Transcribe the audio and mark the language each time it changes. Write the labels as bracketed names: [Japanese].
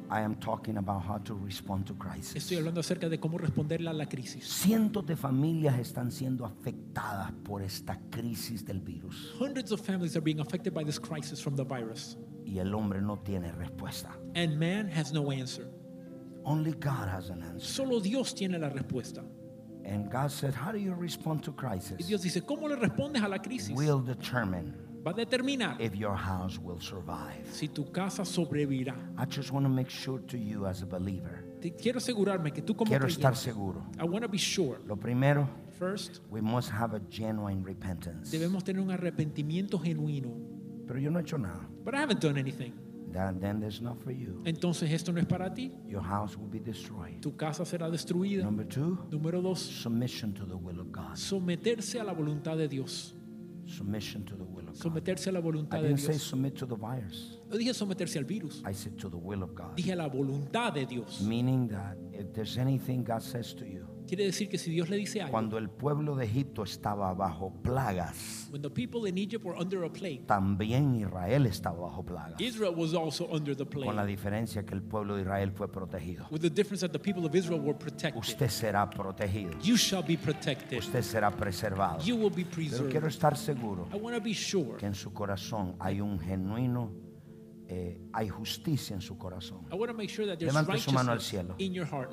[English] I am talking about how to respond to crisis. [Spanish] Estoy hablando acerca de cómo responderle a la crisis. Cientos de familias están siendo afectadas por esta crisis del virus. [English] Hundreds of families are being affected by this crisis from the virus. [Spanish] Y el hombre no tiene respuesta. [English] And man has no answer. Only God has an answer. [Spanish] Solo Dios tiene la respuesta. [English] And God said, "How do you respond to crisis?" [Spanish] Y Dios dice, ¿cómo le respondes a la crisis? [English] Will determine. [Spanish] Va a determinar. [English] If your house will survive. [Spanish] Si tu casa sobrevivirá. [English] I just want to make sure to you as a believer. [Spanish] Te quiero asegurarme que tú como quiero estar seguro. [English] I want to be sure. [Spanish] Lo primero. [English] First. We must have a genuine repentance. [Spanish] Debemos tener un arrepentimiento genuino. Pero yo no he hecho nada. [English] But I haven't done anything. Then there's not for you. [Spanish] Entonces esto no es para ti. [English] Your house will be destroyed. [Spanish] Tu casa será destruida. [English] Number two. [Spanish] Número dos. [English] Submission to the will of God. [Spanish] Someterse a la voluntad de Dios. [English] Submission to the will of God. [Spanish] Someterse a la voluntad de Dios. [English] I didn't say submit to the virus. [Spanish] No dije someterse al virus. [English] I said to the will of God. [Spanish] Dije a la voluntad de Dios. [English] Meaning that if there's anything God says to you. [Spanish] Quiere decir que si Dios le dice algo. Cuando el pueblo de Egipto estaba bajo plagas. [English] When the people in Egypt were under a plague. [Spanish] También Israel estaba bajo plagas. [English] Israel was also under the plague. [Spanish] Con la diferencia que el pueblo de Israel fue protegido. [English] With the difference that the people of Israel were protected. [Spanish] Usted será protegido. [English] You shall be protected. [Spanish] Usted será preservado. [English] You will be preserved. [Spanish] Pero quiero estar seguro. [English] I want to be sure. [Spanish] Que en su corazón hay un genuino hay justicia en su corazón. [English] I want to make sure that there's righteousness in your heart.